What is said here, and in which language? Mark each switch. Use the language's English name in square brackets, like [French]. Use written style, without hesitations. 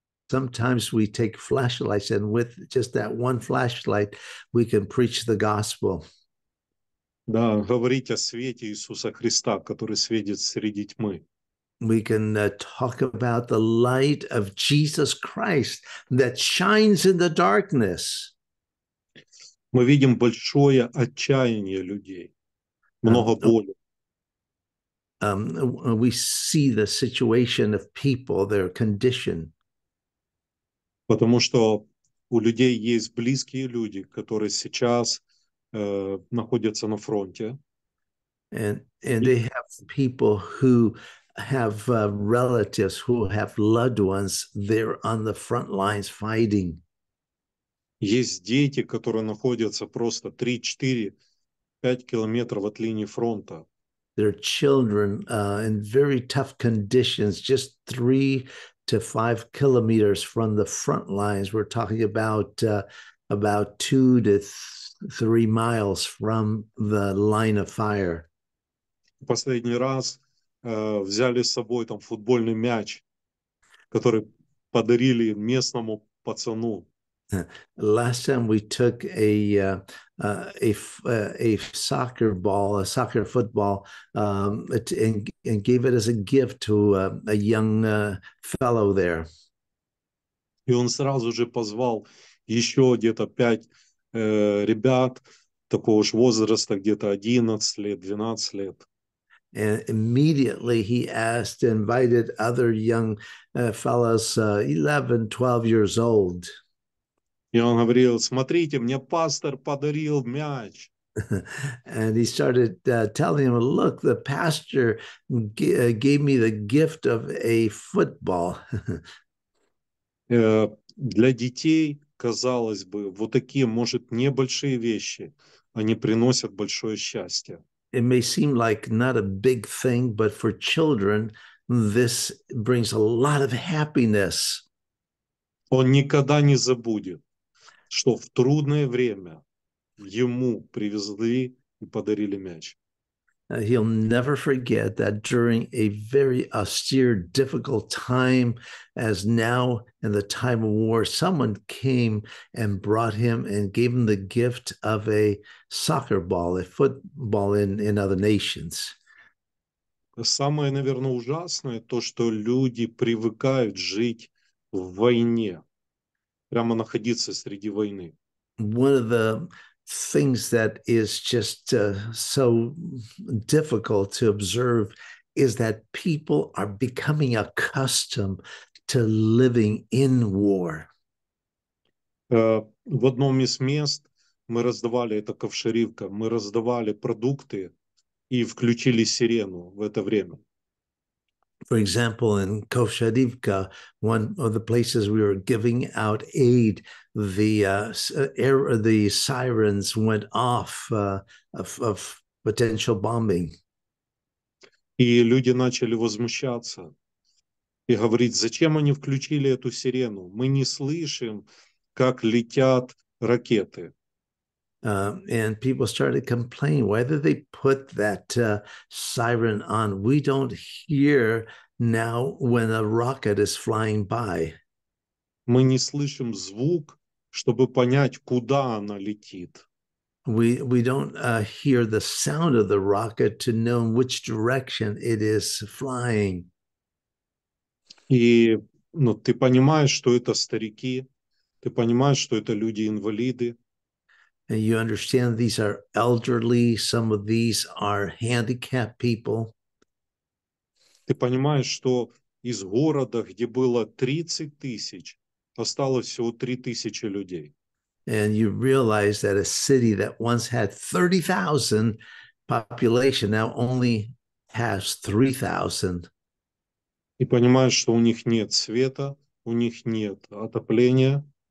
[English] Sometimes we take flashlights, and with just that one flashlight, we can preach the gospel. [Russian] Да, говорить о свете Иисуса Христа, который светит среди тьмы. [English] We can talk about the light of Jesus Christ that shines in the darkness. [Russian] Мы видим большое отчаяние людей, много боли. [English] We see the situation of people, their condition. [Russian] Потому что у людей есть близкие люди, которые сейчас находятся на фронте. [English] And they have people who have relatives who have loved ones there on the front lines fighting. [Russian] Есть дети, которые находятся просто 3-4 5 километров от линии фронта. [English] Their children in very tough conditions, just 3 to 5 kilometers from the front lines. We're talking about 2 to 3 miles from the line of fire. [Russian] Последний раз взяли с собой там футбольный мяч, который подарили местному пацану. [English] Last time we took a soccer football, and gave it as a gift to a young fellow there. [Russian] И он сразу же позвал еще где-то пять ребят такого же возраста, где-то 11 лет, 12 лет. [English] And immediately he asked, invited other young fellows, 11, 12 years old. [Russian] И он говорил, смотрите, мне пастор подарил мяч. [English] And he started telling him, look, the pastor gave me the gift of a football. [Russian] Для детей, казалось бы, вот такие, может, небольшие вещи, они приносят большое счастье. [English] It may seem like not a big thing, but for children, this brings a lot of happiness. [Russian] Он никогда не забудет, что в трудное время ему привезли и подарили мяч. [English] He'll never forget that during a very austere, difficult time, as now in the time of war, someone came and brought him and gave him the gift of a soccer ball, a football in other nations. [Russian] Самое, наверное, ужасное то, что люди привыкают жить в войне, прямо находиться среди войны. [English] One of the things that is just so difficult to observe is that people are becoming accustomed to living in war. [Russian] В одном из мест мы раздавали, это Ковшеривка, мы раздавали продукты и включили сирену в это время. [English] For example, in Kovshadivka, one of the places we were giving out aid, the sirens went off of potential bombing. [Russian] И люди начали возмущаться и говорить, зачем они включили эту сирену? Мы не слышим, как летят ракеты. [English] And people started complaining, why did they put that siren on? We don't hear now when a rocket is flying by. [Russian] Мы не слышим звук, чтобы понять, куда она летит. [English] We don't hear the sound of the rocket to know in which direction it is flying. [Russian] И, ну, ты понимаешь, что это старики, ты понимаешь, что это люди-инвалиды. [English] And you understand these are elderly, some of these are handicapped people. [Russian] Ты понимаешь, что из города, где было 30 тысяч, осталось всего 3 тысячи людей. [English] And you realize that a city that once had 30,000 population now only has 3,000. [Russian] И понимаешь, что у них нет света, у них нет отопления,